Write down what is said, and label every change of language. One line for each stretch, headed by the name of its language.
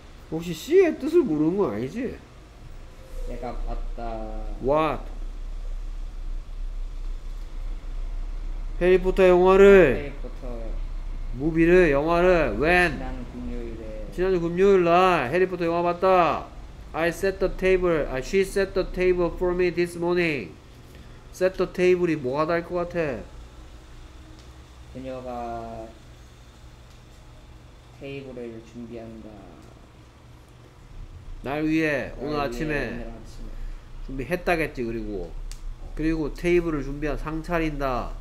Korean: 혹시 C의 뜻을 모르는 건 아니지? 내가 봤다.
English: What?
Korean: 해리포터 영화를. 해리포터. 무비를, 영화를.
English: When?
Korean: 지난 금요일에. 지난 금요일 날 해리포터 영화 봤다.
English: I set the table. She set the table for me this morning.
Korean: Set the table이 뭐가 다 할 것 같아? 그녀가 테이블을 준비한다. 날 위해 오늘 아침에 준비했다겠지. 그리고 테이블을 준비한 상차린다.